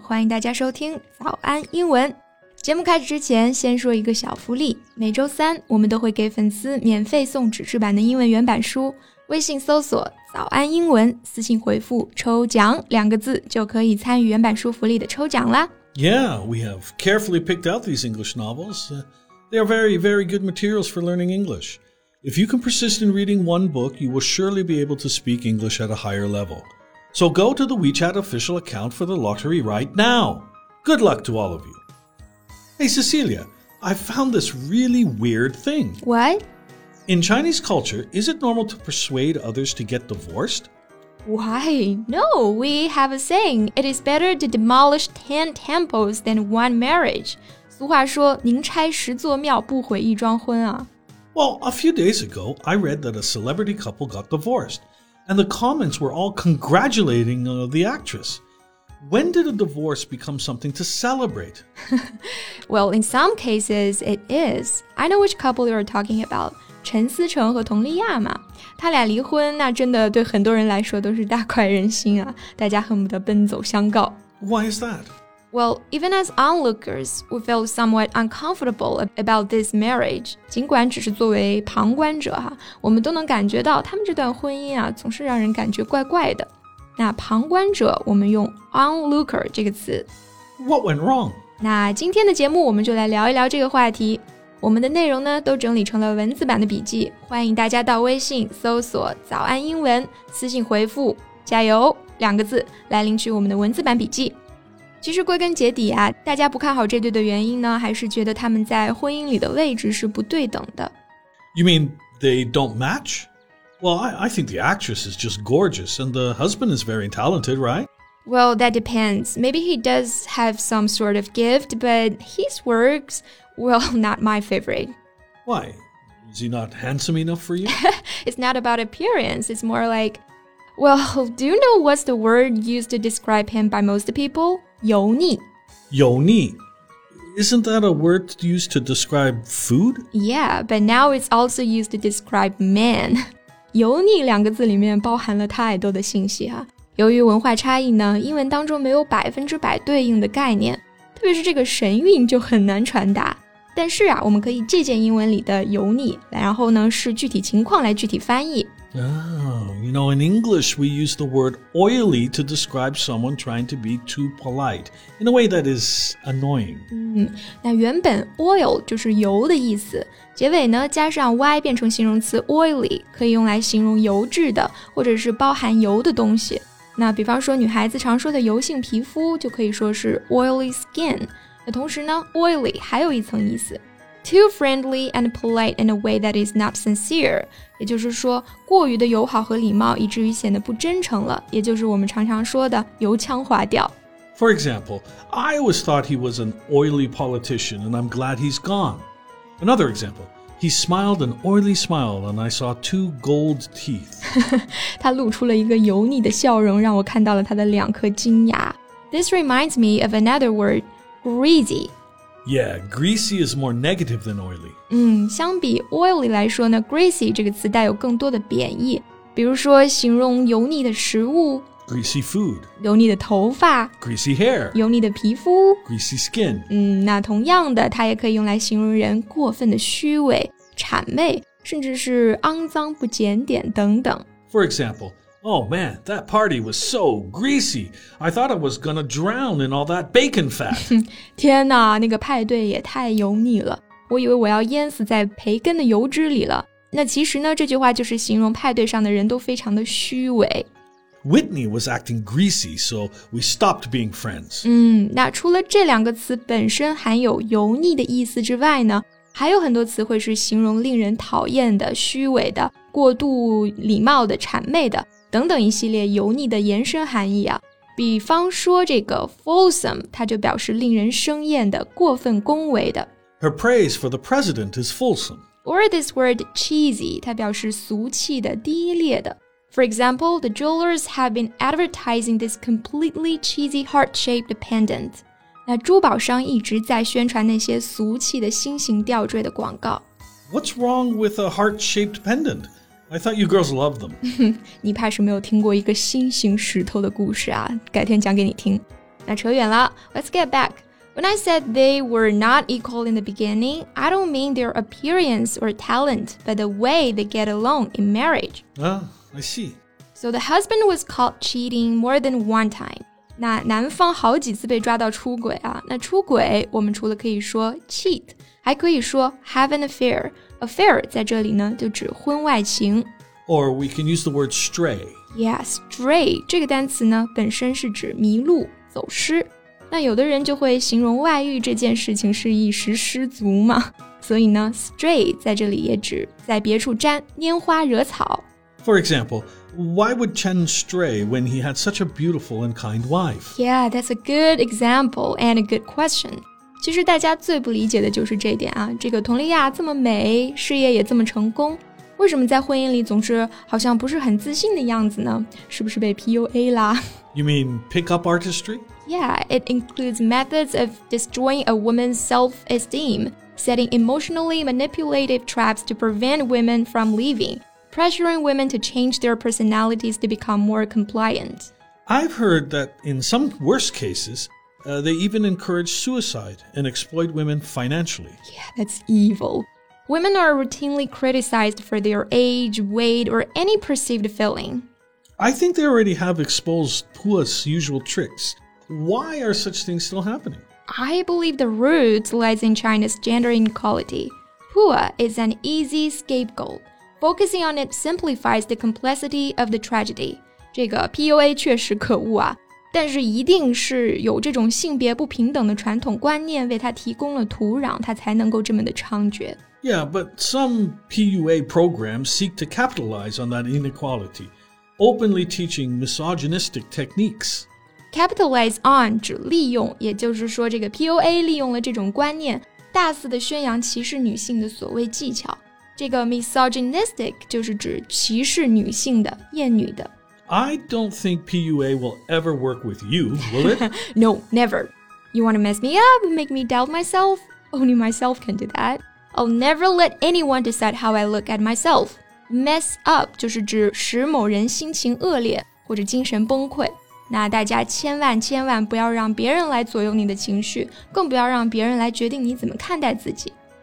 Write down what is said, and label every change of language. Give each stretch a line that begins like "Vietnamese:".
Chinese: 欢迎大家收听早安英文。节目开始之前，先说一个小福利。每周三，我们都会给粉丝免费送纸质版的英文原版书。微信搜索早安英文，私信回复抽奖两个字，就可以参与原版书福利的抽奖啦。
English: Yeah, we have carefully picked out these English novels. They are very, very good materials for learning English. If you can persist in reading one book, you will surely be able to speak English at a higher level. So go to the WeChat official account for the lottery right now. Good luck to all of you. Hey, Cecilia, I found this really weird thing. What? In Chinese culture, is it normal to persuade others to get divorced? Why? No, we have a saying. It is better to demolish 10 temples than one marriage.
Chinese: 俗话说，宁拆十座庙，不毁一桩婚啊。
English: Well, a few days ago, I read that a celebrity couple got divorced, and the comments were all congratulating the actress. When did a divorce become something to celebrate? Well, in some cases, it is. I know which couple you are talking about.
Chinese: 陈思诚和佟丽娅嘛，他俩离婚，那真的对很多人来说都是大快人心啊，大家恨不得奔走相告。
English: Why is that? Well, even as onlookers, we felt somewhat uncomfortable about this marriage.
Chinese: 尽管只是作为旁观者哈，我们都能感觉到他们这段婚姻啊，总是让人感觉怪怪的。那旁观者，我们用 onlooker 这个词。
English: What went wrong?
Chinese: 那今天的节目，我们就来聊一聊这个话题。我们的内容呢都整理成了文字版的笔记，欢迎大家到微信搜索早安英文，私信回复加油两个字来领取我们的文字版笔记。其实归根结底啊，大家不看好这对的原因呢，还是觉得他们在婚姻里的位置是不对等的。
English: You mean they don't match? Well, I think the actress is just gorgeous and the husband is very talented, right? Well, that depends. Maybe he does have some sort of gift, but his works, well, not my favorite. Why? Is he not handsome enough for you? It's not about appearance. It's more like, well, do you know what's the word used to describe him by most people?
Chinese: 油腻. 油腻.
English: Isn't that a word used to describe food? Yeah, but now it's also used to describe men.
Chinese: 油腻两个字里面包含了太多的信息啊。由于文化差异呢，英文当中没有百分之百对应的概念，特别是这个神韵就很难传达。但是啊，我们可以借鉴英文里的油腻，然后呢，视具体情况来具体翻译。
English: Oh, you know, in English, we use the word oily to describe someone trying to be too polite, in a way that is annoying.
Chinese: 嗯，那原本 oil 就是油的意思，结尾呢加上 y 变成形容词 oily， 可以用来形容油质的，或者是包含油的东西。那比方说女孩子常说的油性皮肤就可以说是 oily skin。那同时呢 oily 还有一层意思，
English: too friendly and polite in a way that is not sincere，
Chinese: 也就是说过于的友好和礼貌以至于显得不真诚了，也就是我们常常说的油腔滑调。
English: For example, I always thought he was an oily politician and I'm glad he's gone. Another example,He smiled an oily smile and I saw two gold teeth.
Chinese: 他露出了一个油腻的笑容，让我看到了他的两颗金牙。
English: This reminds me of another word, greasy. Yeah, greasy is more negative than oily.
Chinese: 嗯，相比 oily 来说呢， greasy 这个词带有更多的贬义，比如说形容油腻的食物，
English: greasy food.
Chinese: 油腻的头发，
English: greasy hair.
Chinese: 油腻的皮肤，
English: greasy skin.
Chinese: 嗯，那同样的，它也可以用来形容人过分的虚伪、谄媚，甚至是肮脏不检点等等。
English: For example, oh man, that party was so greasy. I thought I was gonna drown in all that bacon fat.
Chinese: 天哪，那个派对也太油腻了，我以为我要淹死在培根的油脂里了。那其实呢，这句话就是形容派对上的人都非常的虚伪。
English: Whitney was acting greasy, so we stopped being friends.
Chinese: 嗯，那除了这两个词本身含有油腻的意思之外呢，还有很多词汇是形容令人讨厌的、虚伪的、过度礼貌的、谄媚的等等一系列油腻的延伸含义啊。比方说这个 fulsome， 它就表示令人生厌的、过分恭维的。
English: Her praise for the president is fulsome. Or this word
Chinese: cheesy， 它表示俗气的、低劣的。
English: For example, the jewelers have been advertising this completely cheesy heart-shaped pendant.
Chinese: 那珠宝商一直在宣传那些俗气的心形吊坠的广告。
English: What's wrong with a heart-shaped pendant? I thought you girls love them.
Chinese: 你怕是没有听过一个星星石头的故事啊，改天讲给你听。那扯远了，
English: let's get back. When I said they were not equal in the beginning, I don't mean their appearance or talent, but the way they get along in marriage. I see. So the husband was caught cheating more than one time.
Chinese: 那男方好几次被抓到出轨啊，那出轨我们除了可以说 cheat, 还可以说
English: have an affair.
Chinese: Affair 在这里呢就指婚外情。
English: Or we can use the word stray.
Chinese: Yeah, stray 这个单词呢本身是指迷路、走失。那有的人就会形容外遇这件事情是一时失足嘛。所以呢 stray 在这里也指在别处沾拈花惹草。
English: For example,Why would Chen stray when he had such a beautiful and kind wife? Yeah, that's a good example and a good question.
Chinese: 其实大家最不理解的就是这点啊，这个佟丽娅这么美，事业也这么成功，为什么在婚姻里总是好像不是很自信的样子呢？是不是被 PUA 啦？
English: You mean pickup artistry? Yeah, it includes methods of destroying a woman's self-esteem, setting emotionally manipulative traps to prevent women from leaving. Pressuring women to change their personalities to become more compliant. I've heard that in some worst cases, they even encourage suicide and exploit women financially. Yeah, that's evil. Women are routinely criticized for their age, weight, or any perceived failing. I think they already have exposed Pua's usual tricks. Why are such things still happening? I believe the root lies in China's gender inequality. Pua is an easy scapegoat. Focusing on it simplifies the complexity of the tragedy.
Chinese: 这个 PUA 确实可恶啊，但是一定是有这种性别不平等的传统观念为他提供了土壤，他才能够这么的猖獗。
English: Yeah, but some PUA programs seek to capitalize on that inequality, openly teaching misogynistic techniques.
Chinese: Capitalize on 指利用，也就是说这个 PUA 利用了这种观念，大肆的宣扬歧视女性的所谓技巧。这个 misogynistic 就是指歧视女性的、厌女的。
English: I don't think PUA will ever work with you, will it? No, never. You want to mess me up, make me doubt myself? Only myself can do that. I'll never let anyone decide how I look at myself.
Chinese: Mess up 就是指使某人心情恶劣或者精神崩溃。那大家千万千万不要让别人来左右你的情绪，更不要让别人来决定你怎么看待自己。